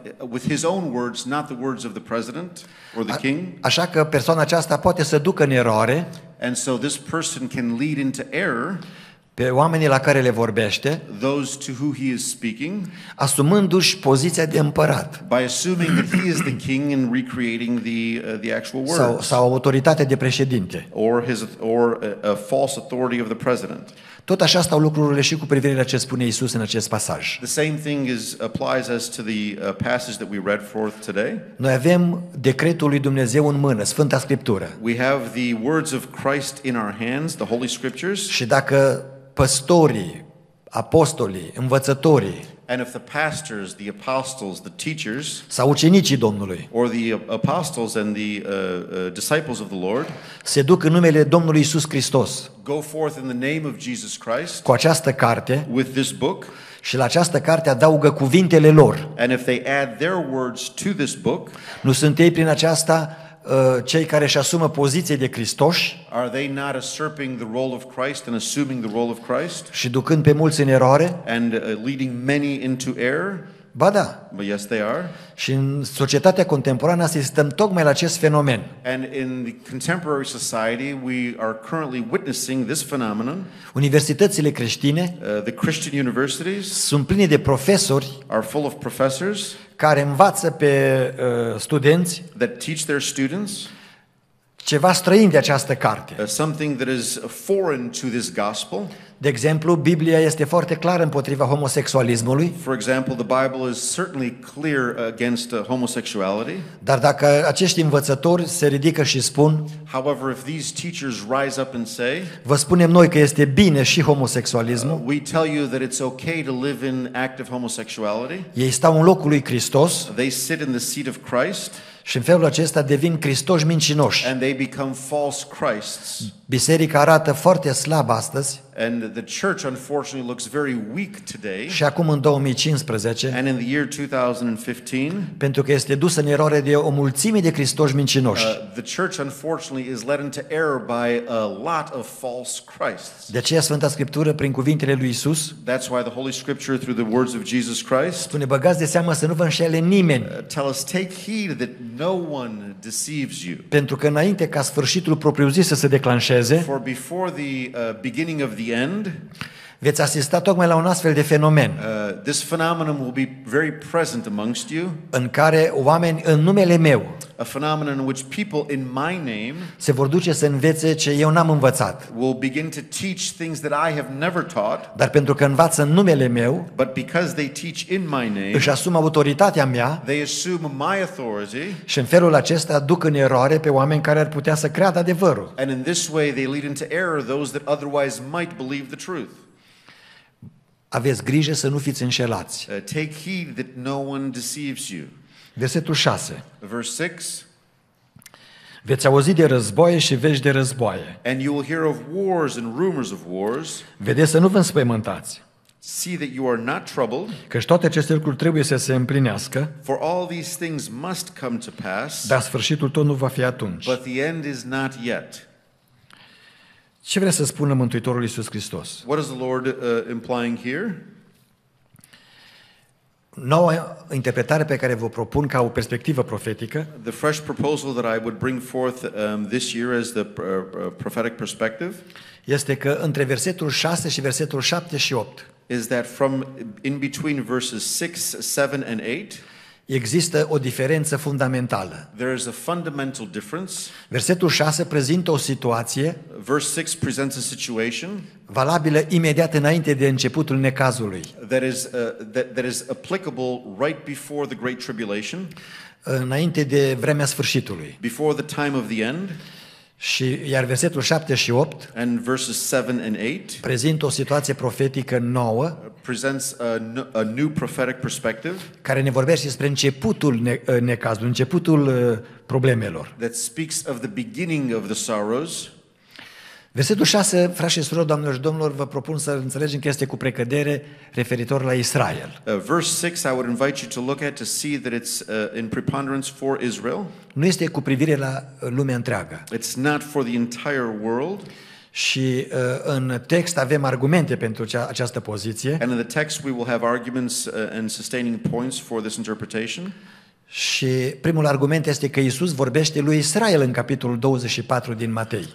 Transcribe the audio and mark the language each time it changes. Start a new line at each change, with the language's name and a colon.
English: With his own words, not the words of the president or the king.
Romanian: Așa că persoana aceasta poate să ducă în eroare,
English: and so this person can lead into error,
Romanian: pe oamenii la care le vorbește,
English: those to who he is speaking,
Romanian: asumându-și poziția de împărat,
English: by assuming that he is the king and recreating the actual words,
Romanian: sau autoritatea de președinte,
English: or a false authority of the president.
Romanian: Tot așa stau lucrurile și cu privire la ce spune Iisus în acest pasaj.
English: The same thing applies as to the passage that we read forth today.
Romanian: Noi avem decretul lui Dumnezeu în mână, Sfânta Scriptură.
English: We have the words of Christ in our hands, the Holy Scriptures.
Romanian: Și dacă păstorii, apostolii, învățătorii,
English: and if the pastors, the apostles, the teachers,
Romanian: sau ucenicii Domnului,
English: or the apostles and the disciples of the Lord,
Romanian: se duc în numele Domnului Iisus Hristos,
English: go forth in the name of Jesus Christ,
Romanian: cu această carte,
English: with this book,
Romanian: și la această carte adaugă cuvintele lor,
English: and if they add their words to this book,
Romanian: nu sunt ei prin aceasta cei care își asumă poziția de Hristoși?
English: Are they not usurping the role of Christ and assuming the role of Christ?
Romanian: Și ducând pe mulți în eroare?
English: And leading many into error?
Romanian: Ba da.
English: But yes, they are.
Romanian: Și în societatea contemporană asistăm tocmai la acest fenomen.
English: And in the contemporary society we are currently witnessing this phenomenon.
Romanian: Universitățile creștine,
English: the Christian universities,
Romanian: sunt pline de profesori,
English: are full of professors,
Romanian: care învață pe studenți,
English: that teach their students,
Romanian: ceva străin de această carte.
English: Something that is foreign to this gospel.
Romanian: De exemplu, Biblia este foarte clară împotriva homosexualismului.
English: For example, the Bible is certainly clear against homosexuality.
Romanian: Dar dacă acești învățători se ridică și spun,
English: however, if these teachers rise up and say,
Romanian: vă spunem noi că este bine și homosexualismul.
English: We tell you that it's okay to live in active homosexuality.
Romanian: Ei stau în locul lui Hristos.
English: They sit in the seat of Christ.
Romanian: Și în felul acesta devin Hristoși mincinoși.
English: And they become false Christs.
Romanian: Biserica arată foarte slab astăzi.
English: And the church unfortunately looks very weak today.
Romanian: Și acum în 2015.
English: And in the year 2015.
Romanian: Pentru că este dusă în eroare de o mulțime de Hristoși mincinoși.
English: The church unfortunately is led into error by a lot of false Christs.
Romanian: De aceea Sfânta Scriptură prin cuvintele lui Isus.
English: That's why the Holy Scripture through the words of Jesus Christ.
Romanian: Spune, băgați de seamă să nu vă înșele nimeni.
English: Tell us, take heed that no one deceives you.
Romanian: Pentru că înainte ca sfârșitul propriu-zis să se declanșeze.
English: For before the beginning of the end.
Romanian: Veți asista tocmai la un astfel de fenomen.
English: This phenomenon will be very present amongst you.
Romanian: În care oameni în numele meu.
English: A phenomenon in which people in my name.
Romanian: Se vor duce să învețe ce eu n-am învățat.
English: Will begin to teach things that I have never taught.
Romanian: Dar pentru că învață în numele meu.
English: But because they teach in my name.
Romanian: Își asumă autoritatea mea.
English: They assume my authority.
Romanian: Și în felul acesta duc în eroare pe oameni care ar putea să creadă adevărul.
English: And in this way they lead into error those that otherwise might believe the truth.
Romanian: Aveți grijă să nu fiți înșelați.
English: Take heed that no one deceives you.
Romanian: Versetul 6.
English: Verse 6.
Romanian: Veți auzi de războaie și vești de războaie.
English: And you will hear of wars and rumors of wars.
Romanian: Vedeți să nu vă înspăimântați.
English: See that you are not troubled.
Romanian: Căci toate aceste lucruri trebuie să se împlinească.
English: For all these things must come to pass.
Romanian: Dar sfârșitul tot nu va fi atunci.
English: But the end is not yet.
Romanian: Ce vrea să spună Mântuitorul Iisus Hristos?
English: What is the Lord implying here?
Romanian: Noua interpretare pe care vă propun ca o perspectivă profetică.
English: The fresh proposal that I would bring forth this year as the prophetic perspective.
Romanian: Este că între versetul 6 și versetul 7 și 8.
English: Is that from in between verses 6, 7 and 8?
Romanian: Există o diferență fundamentală.
English: There is a fundamental difference.
Romanian: Versetul 6 prezintă o situație.
English: Verse 6 presents a situation.
Romanian: Valabilă imediat înainte de începutul necazului.
English: That is applicable right before the great tribulation.
Romanian: Înainte de vremea sfârșitului.
English: Before the time of the end.
Romanian: Și iar versetul 7 și 8.
English: And verses 7 and 8.
Romanian: Prezintă o situație profetică nouă.
English: Presents a new prophetic perspective.
Romanian: Care ne vorbește despre începutul necazului, începutul problemelor.
English: That speaks of the beginning of the sorrows.
Romanian: Versetul 6, frașii și surori, doamnelor și domnilor, vă propun să înțelegem că este cu precădere referitor la Israel.
English: Verse 6, I would invite you to look at to see that it's in preponderance for Israel.
Romanian: Nu este cu privire la lumea întreagă.
English: It's not for the entire world.
Romanian: Și în text avem argumente pentru această poziție.
English: And in the text we will have arguments and sustaining points for this interpretation.
Romanian: Și primul argument este că Iisus vorbește lui Israel în capitolul 24 din Matei.